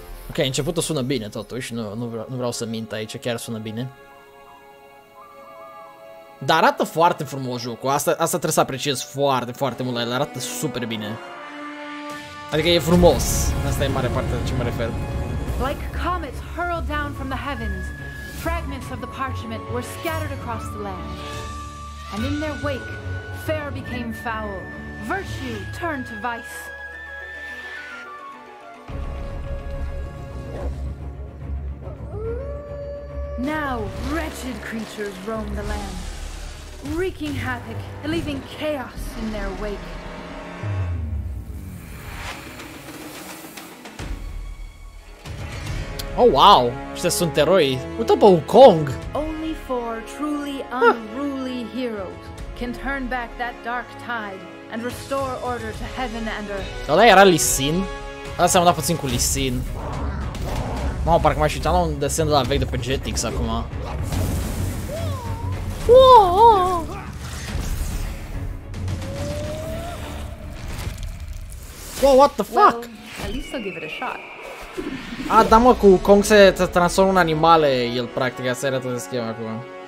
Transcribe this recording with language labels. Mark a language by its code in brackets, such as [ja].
[ro] Ok, începutul sună bine totuși, nu vreau să mint aici, chiar sună bine. Dar arată foarte frumos jocul, asta trebuie să apreciez foarte, foarte mult la el, arată super bine. Adică e frumos. Asta e mare parte de ce mă refer. [en] Like comets hurled down from the heavens, fragments of the parchment were scattered across the land. And in their wake, fair became foul, virtue turned to vice. Now wretched creatures roam the land, wreaking havoc and leaving chaos in their wake. Oh wow, [ro] ce sunt eroi. Uite pe Wukong. [en] Only four truly unruly heroes can turn back that dark tide and restore order to heaven and earth. [ro] Ăla era Lee Sin? Ăla seamănă puțin cu Lee Sin. Mamă, parcă m-aș uita la un desen de la vechi de pe Jetix acum. Wow! Wow, [en] what the fuck? Well, at least I'll give it a shot. [ro] A, da mă, cu Kong se transformă în animale, el practic, asta era toată schema acum.